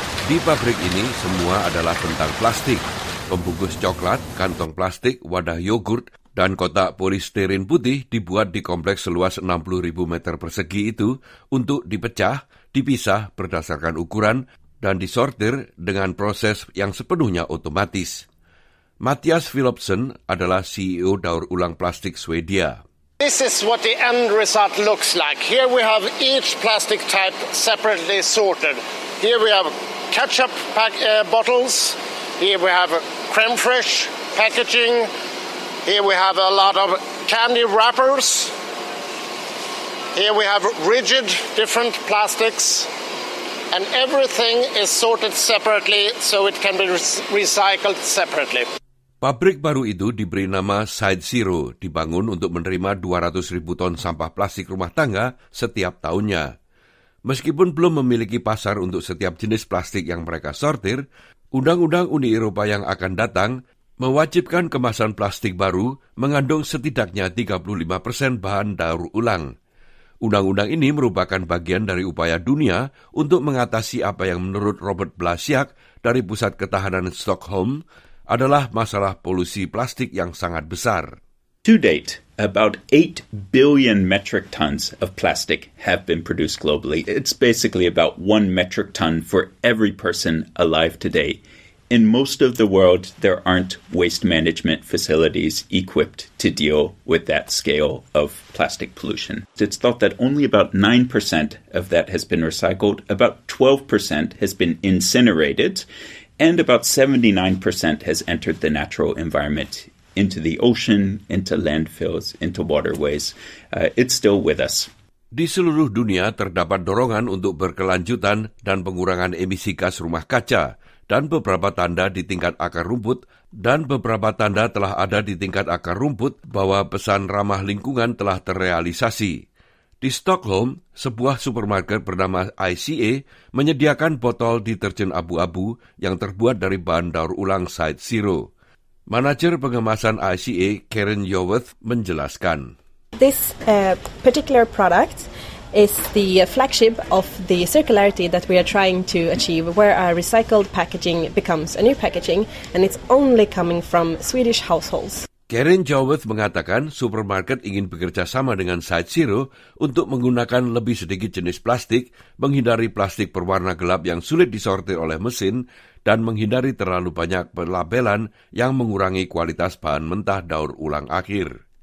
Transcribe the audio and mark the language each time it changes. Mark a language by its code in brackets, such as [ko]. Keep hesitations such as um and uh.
[id] Di pabrik ini semua adalah tentang plastik, pembungkus coklat, kantong plastik, wadah yogurt, dan kotak polisterin putih dibuat di kompleks seluas 60.000 meter persegi itu untuk dipecah, dipisah berdasarkan ukuran, dan disortir dengan proses yang sepenuhnya otomatis. Matthias Philipsen adalah CEO daur ulang plastik Swedia. [en] This is what the end result looks like. Here we have each plastic type separately sorted. Here we have ketchup pack, uh, bottles. Here we have creme fraiche packaging. Here we have a lot of candy wrappers. Here we have rigid different plastics. And everything is sorted separately so it can be recycled separately. [id] Pabrik baru itu diberi nama Side Zero, dibangun untuk menerima 200 ribu ton sampah plastik rumah tangga setiap tahunnya. Meskipun belum memiliki pasar untuk setiap jenis plastik yang mereka sortir, undang-undang Uni Eropa yang akan datang mewajibkan kemasan plastik baru mengandung setidaknya 35 persen bahan daur ulang. Undang-undang ini merupakan bagian dari upaya dunia untuk mengatasi apa yang menurut Robert Blasiak dari Pusat Ketahanan Stockholm adalah masalah polusi plastik yang sangat besar. [en] To date, about 8 billion metric tons of plastic have been produced globally. It's basically about one metric ton for every person alive today. in most of the world, there aren't waste management facilities equipped to deal with that scale of plastic pollution. It's thought that only about 9% of that has been recycled, about 12% has been incinerated, and about 79% has entered the natural environment into the ocean, into landfills, into waterways. Uh, it's still with us. [id] Di seluruh dunia terdapat dorongan untuk berkelanjutan dan pengurangan emisi gas rumah kaca dan beberapa tanda di tingkat akar rumput dan beberapa tanda telah ada di tingkat akar rumput bahwa pesan ramah lingkungan telah terrealisasi. Di Stockholm, sebuah supermarket bernama ICA menyediakan botol deterjen abu-abu yang terbuat dari bahan daur ulang Side Zero. Manajer pengemasan ICA, Karen Yoweth, menjelaskan. [en] This uh, particular product is the flagship of the circularity that we are trying to achieve, where our recycled packaging becomes a new packaging, and it's only coming from Swedish households. [id] Karen Jawath mengatakan supermarket ingin bekerja sama dengan Side Zero untuk menggunakan lebih sedikit jenis plastik, menghindari plastik berwarna gelap yang sulit disortir oleh mesin, dan menghindari terlalu banyak pelabelan yang mengurangi kualitas bahan mentah daur ulang akhir.